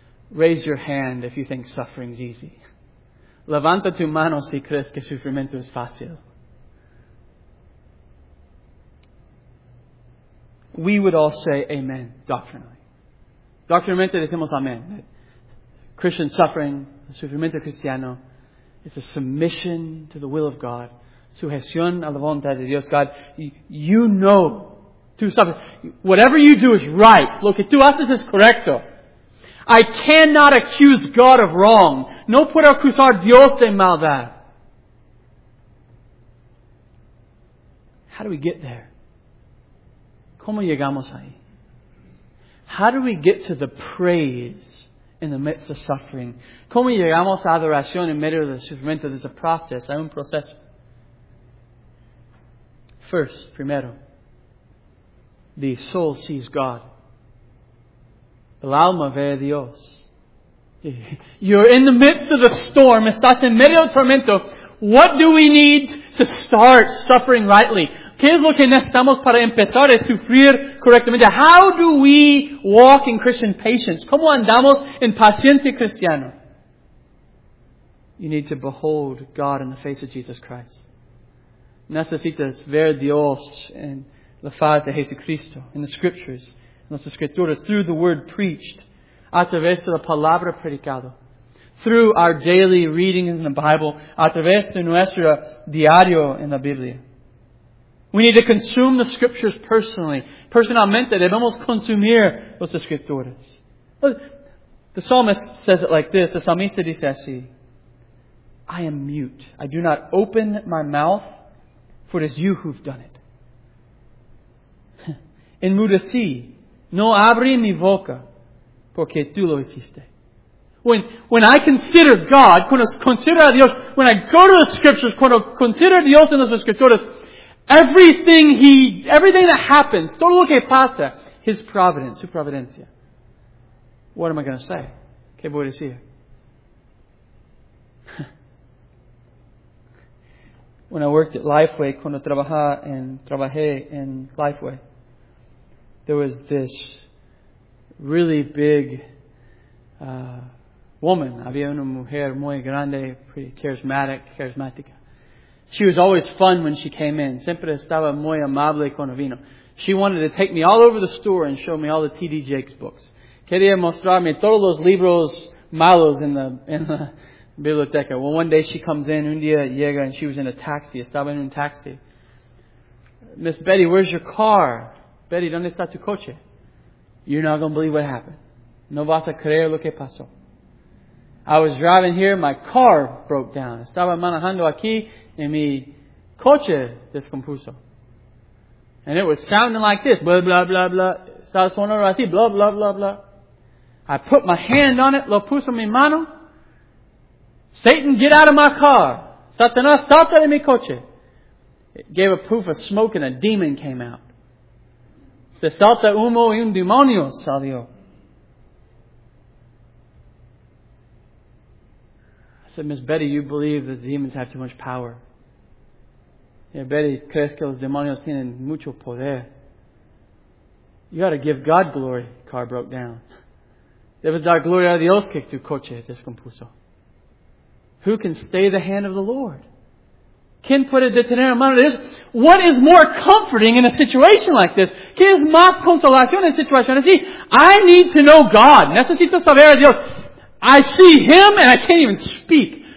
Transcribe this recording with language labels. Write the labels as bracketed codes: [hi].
[en] Raise your hand if you think suffering is easy. [es] Levanta tu mano si crees que sufrimiento es fácil. [en] We would all say amen, doctrinally. [es] Doctrinalmente decimos amen. [en] Christian suffering, [es] el sufrimiento cristiano, [en] is a submission to the will of God. [es] Sujeción a la voluntad de Dios. [en] God, you know through suffering. Whatever you do is right. [es] Lo que tú haces es correcto. [en] I cannot accuse God of wrong. [es] No puedo acusar Dios de maldad. [en] How do we get there? [es] ¿Cómo llegamos ahí? [en] How do we get to the praise in the midst of suffering? [es] ¿Cómo llegamos a adoración en medio del sufrimiento? [en] There's a process. [es] Hay un proceso. [en] First, primero, the soul sees God. [es] El alma ve a Dios. [en] You're in the midst of the storm. [es] Estás en medio del tormento. [en] What do we need to start suffering rightly? [es] ¿Qué es lo que necesitamos para empezar a sufrir correctamente? [en] How do we walk in Christian patience? [es] ¿Cómo andamos en paciencia cristiana? [en] You need to behold God in the face of Jesus Christ. [es] Necesitas ver Dios en la faz de Jesucristo, en [en] the Scriptures, [es] en las Escrituras, [en] through the Word preached, [es] a través de la Palabra predicada. [en] Through our daily reading in the Bible, [es] a través de nuestro diario en la Biblia. [en] We need to consume the Scriptures personally. [es] Personalmente, debemos consumir las Escrituras. [en] The psalmist says it like this. The [es] psalmista dice así, [en] I am mute. I do not open my mouth, for it is you who've done it. [es] Enmudecí. No abrí mi boca, porque tú lo hiciste. [en] When I consider God, [es] cuando considero a Dios, [en] when I go to the Scriptures, [es] cuando considero a Dios en las Escrituras, [en] everything that happens, [es] todo lo que pasa, [en] His providence, [es] su providencia. [en] What am I going to say? [es] ¿Qué voy a decir? [en] When I worked at Lifeway, [es] cuando trabajé en Lifeway, [en] there was this really big woman. [es] Había una mujer muy grande, pretty charismática. [en] She was always fun when she came in. [es] Siempre estaba muy amable cuando vino. [en] She wanted to take me all over the store and show me all the T.D. Jakes books. [es] Quería mostrarme todos los libros malos en la biblioteca. [en] Well, one day she comes in, [es] un día llega, [en] and she was in a taxi. [es] Estaba en un taxi. [en] Miss Betty, where's your car? [es] Betty, ¿dónde está tu coche? [en] You're not going to believe what happened. [es] No vas a creer lo que pasó. [en] I was driving here, my car broke down. [es] Estaba manejando aquí, y mi coche descompuso. [en] And it was sounding like this, blah, blah, blah, blah. [es] Estaba sonando así, blah, blah, blah, blah. [en] I put my hand on it, [es] lo puso mi mano. [en] Satan, get out of my car. [es] Satanás, salta de mi coche. [en] It gave a poof of smoke and a demon came out. [es] Se salta humo y un demonio salió. [en] I said, Miss Betty, you believe that demons have too much power. Yeah, Betty, [es] ¿crees que los demonios tienen mucho poder? [en] You got to give God glory. Car broke down. [es] Debes dar gloria a Dios que tu coche descompuso. [en] Who can stay the hand of the Lord? [es] ¿Quién puede detener la mano de Dios? [en] What is more comforting in a situation like this? [es] ¿Qué es más consolación en situaciones así? [en] I need to know God. [es] Necesito saber a Dios. [en] I see Him and I can't even speak.